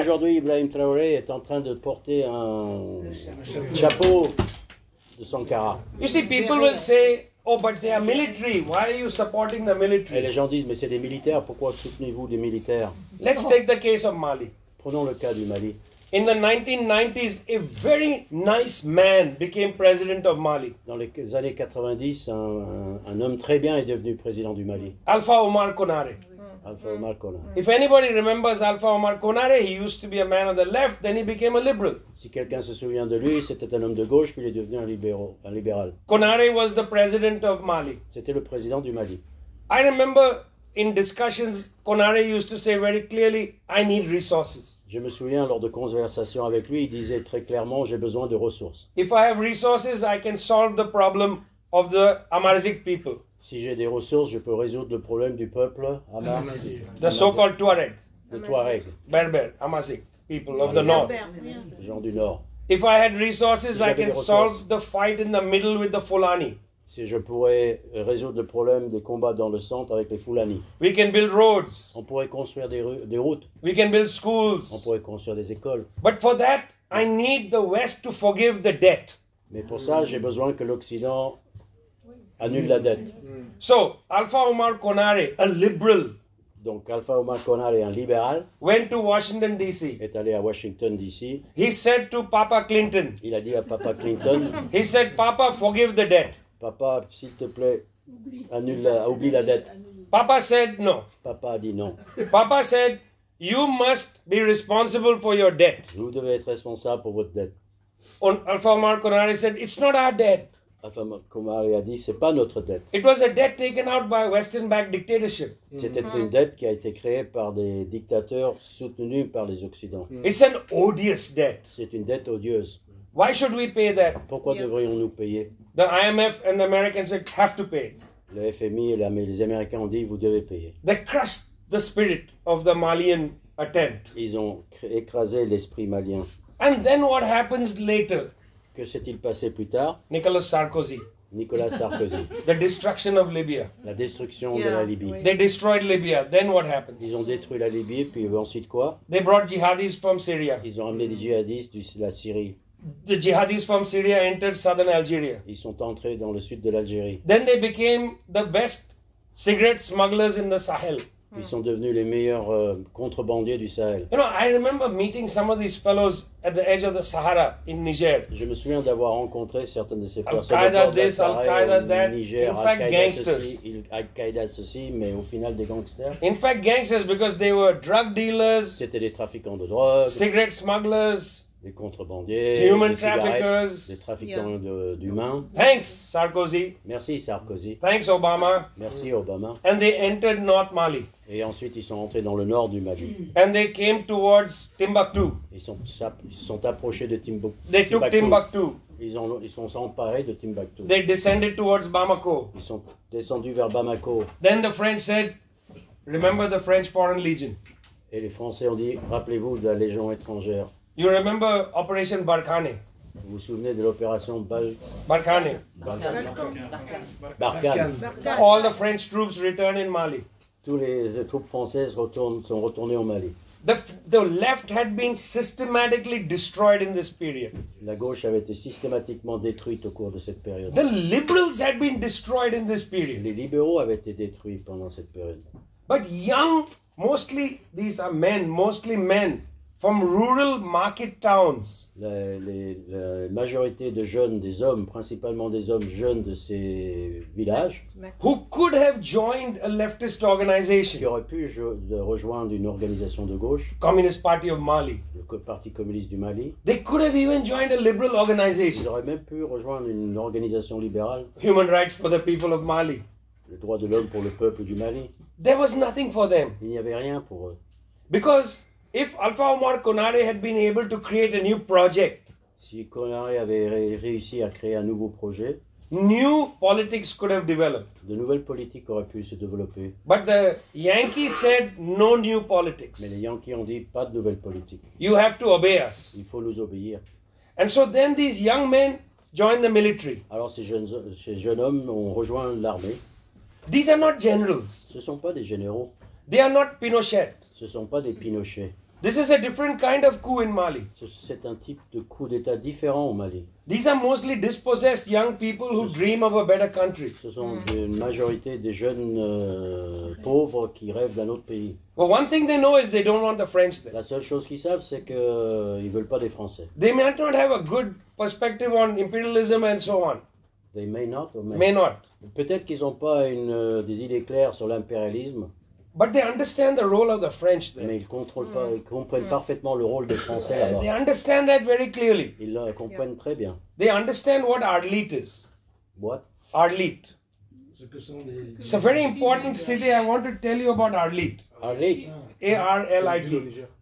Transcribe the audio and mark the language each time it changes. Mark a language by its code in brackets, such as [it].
[fr] Aujourd'hui, Ibrahim Traoré est en train de porter un chapeau de Sankara. [en] You see, people will say, "Oh, but they are military. Why are you supporting the military?" [fr] Et les gens disent, mais c'est des militaires. Pourquoi soutenez-vous des militaires? [en] Let's take the case of Mali. [fr] Prenons le cas du Mali. [en] In the 1990s, a very nice man became president of Mali. [fr] Dans les années 90, un homme très bien est devenu président du Mali. [en] Alpha Omar Konare. [fr] Alpha Omar Konare. [en] If anybody remembers Alpha Omar Konare, he used to be a man on the left, then he became a liberal. [fr] Si quelqu'un se souvient de lui, c'était un homme de gauche, puis il est devenu un libéral. [en] Konare was the president of Mali. [fr] C'était le président du Mali. [en] I remember in discussions, Konare used to say very clearly, "I need resources." [fr] Je me souviens, lors de conversations avec lui, il disait très clairement, j'ai besoin de ressources. [en] If I have resources, I can solve the problem of the Amharic people. [fr] Si j'ai des ressources, je peux résoudre le problème du peuple Amharic. [en] The so-called Tuareg. The Tuareg. Berber, Amharic people of the north. [fr] Les gens du nord. [en] If I had resources, I can solve the fight in the middle with the Fulani. [fr] Si je pourrais résoudre le problème des combats dans le centre avec les Fulani. [en] We can build roads. [fr] On pourrait construire des routes. [en] We can build schools. [fr] On pourrait construire des écoles. [en] But for that, I need the West to forgive the debt. [fr] Mais pour ça, j'ai besoin que l'Occident annule la dette. [en] So, Alpha Omar Konare, a liberal. [fr] Donc Alpha Omar Konare, un libéral, [en] went to Washington D.C. [fr] Est allé à Washington D.C. [en] He said to Papa Clinton. [fr] Il a dit à Papa Clinton. [en] He said, "Papa, forgive the debt." [fr] Papa, s'il te plaît, oublie la dette. [en] Papa said no. [fr] Papa a dit non. [en] Papa said, "You must be responsible for your debt." [fr] Vous devez être responsable pour votre dette. [en] Alpha Omar Konare said, "It's not our debt." [fr] Alpha Omar Konare a dit, c'est pas notre dette. [en] It was a debt taken out by Western-backed dictatorship. [fr] C'était une dette qui a été créée par des dictateurs soutenus par les Occidents. [en] It's an odious debt. [fr] C'est une dette odieuse. [en] Why should we pay that? [fr] Pourquoi devrions-nous payer? [en] The IMF and the Americans said, "Have to pay." [fr] Le FMI et les Américains ont dit, vous devez payer. [en] They crushed the spirit of the Malian attempt. [fr] Ils ont écrasé l'esprit malien. [en] And then what happens later? [fr] Que s'est-il passé plus tard? [en] Nicolas Sarkozy. [fr] Nicolas Sarkozy. [en] The destruction of Libya. [fr] La destruction de la Libye. Oui. [en] They destroyed Libya. Then what happens? [fr] Ils ont détruit la Libye, puis ensuite quoi? [en] They brought jihadis from Syria. [fr] Ils ont amené des jihadistes de la Syrie. [en] The jihadis from Syria entered southern Algeria. [fr] Ils sont entrés dans le sud de l'Algérie. [en] Then they became the best cigarette smugglers in the Sahel. [fr] Ils sont devenus les meilleurs contrebandiers du Sahel. [en] You know, I remember meeting some of these fellows at the edge of the Sahara in Niger. [fr] Je me souviens d'avoir rencontré certaines de ces personnes. [en] Al-Qaïda this, Al-Qaïda that. Niger, in fact, gangsters. [fr] Al-Qaïda ceci, mais au final des gangsters. [en] In fact, gangsters because they were drug dealers. [fr] C'était des trafiquants de drogue. [en] Cigarette smugglers. [fr] Les contrebandiers, les trafiquants d'humains. [en] Thanks, Sarkozy. [fr] Merci, Sarkozy. [en] Thanks, Obama. [fr] Merci, Obama. [en] And they entered North Mali. [fr] Et ensuite, ils sont entrés dans le nord du Mali. [en] And they came towards Timbuktu. [fr] Ils sont approchés de Timbuktu. [en] They took Timbuktu. [fr] Ils sont emparés de Timbuktu. [en] They descended towards Bamako. [fr] Ils sont descendus vers Bamako. [en] Then the French said, "Remember the French Foreign Legion." [fr] Et les Français ont dit, rappelez-vous de la Légion étrangère. [en] You remember Operation Barkhane? [fr] Vous vous souvenez de l'opération Barkhane? Barkhane. [en] All the French troops return in Mali. [fr] Toutes les troupes françaises sont retournées au Mali. [en] The left had been systematically destroyed in this period. [fr] La gauche avait été systématiquement détruite au cours de cette période. [en] The liberals had been destroyed in this period. [fr] Les libéraux avaient été détruits pendant cette période. [en] But young, mostly these are men, mostly men. From rural market towns. [fr] La majorité de jeunes, des hommes, principalement des hommes jeunes de ces villages, [en] who could have joined a leftist organization. [fr] Qui auraient pu rejoindre une organisation de gauche. [en] Communist Party of Mali. [fr] Le Parti communiste du Mali. [en] They could have even joined a liberal organization. [fr] Ils auraient même pu rejoindre une organisation libérale. [en] Human rights for the people of Mali. [fr] Le droit de l'homme pour le peuple du Mali. [en] There was nothing for them. [fr] Il n'y avait rien pour eux. [en] Because if Alpha Omar Konare had been able to create a new project, [fr] si Konare avait réussi à créer un nouveau projet, [en] new politics could have developed. [fr] De nouvelles politiques auraient pu se développer. [en] But the Yankees said no new politics. [fr] Mais les Yankees ont dit pas de nouvelles politiques. [en] You have to obey us. [fr] Il faut nous obéir. [en] And so then these young men joined the military. [fr] Alors ces jeunes hommes ont rejoint l'armée. [en] These are not generals. [fr] Ce sont pas des généraux. [en] They are not Pinochet. [fr] Ce sont pas des Pinochet. [en] This is a different kind of coup in Mali. [fr] C'est un type de coup d'état différent au Mali. [en] These are mostly dispossessed young people who dream of a better country. [fr] Ce sont une majorité des jeunes pauvres qui rêvent d'un autre pays. [en] Well, one thing they know is they don't want the French there. [fr] La seule chose qu'ils savent, c'est que ils veulent pas des Français. [en] They may not have a good perspective on imperialism and so on. They may not. May not. [fr] Peut-être qu'ils ont pas des idées claires sur l'impérialisme. [en] But they understand the role of the French there. [fr] Mais ils contrôlent pas, ils comprennent parfaitement le rôle des Français là-bas. [en] They understand that very clearly. [fr] Ils le comprennent très bien. [en] They understand what Arlit is. What? Arlit. It's a very important city. I want to tell you about Arlit. Arlit. A-R-L-I-T.